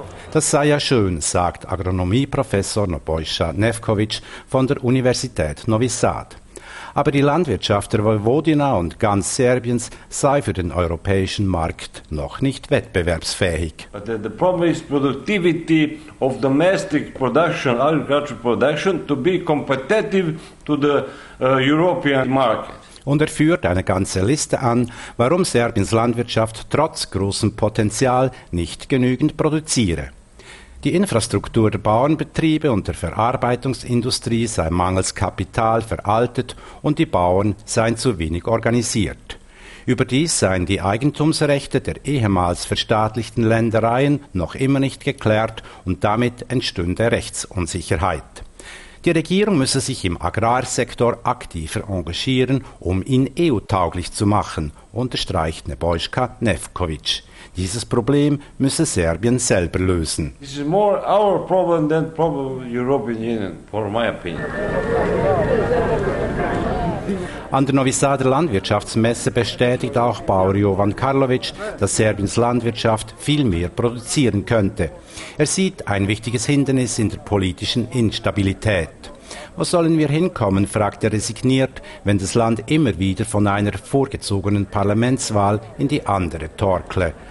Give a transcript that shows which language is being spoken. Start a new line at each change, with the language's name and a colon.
German: Das sei ja schön, sagt Agronomieprofessor Nobojša Nevković von der Universität Novi Sad. Aber die Landwirtschaft der Vojvodina und ganz Serbiens sei für den europäischen Markt noch nicht wettbewerbsfähig.
English: The problem is productivity of domestic production, agricultural production, to be competitive to the European market.
German: Und er führt eine ganze Liste an, warum Serbiens Landwirtschaft trotz großem Potenzial nicht genügend produziere. Die Infrastruktur der Bauernbetriebe und der Verarbeitungsindustrie sei mangels Kapital veraltet und die Bauern seien zu wenig organisiert. Überdies seien die Eigentumsrechte der ehemals verstaatlichten Ländereien noch immer nicht geklärt und damit entstünde Rechtsunsicherheit. Die Regierung müsse sich im Agrarsektor aktiver engagieren, um ihn EU-tauglich zu machen, unterstreicht Nebojša Nevković. Dieses Problem müsse Serbien selber lösen.
English: This is more our problem than problem of the European Union, for my opinion.
German: An der Novi Sader Landwirtschaftsmesse bestätigt auch Bauer Jovan Karlovic, dass Serbiens Landwirtschaft viel mehr produzieren könnte. Er sieht ein wichtiges Hindernis in der politischen Instabilität. Wo sollen wir hinkommen, fragt er resigniert, wenn das Land immer wieder von einer vorgezogenen Parlamentswahl in die andere torkle.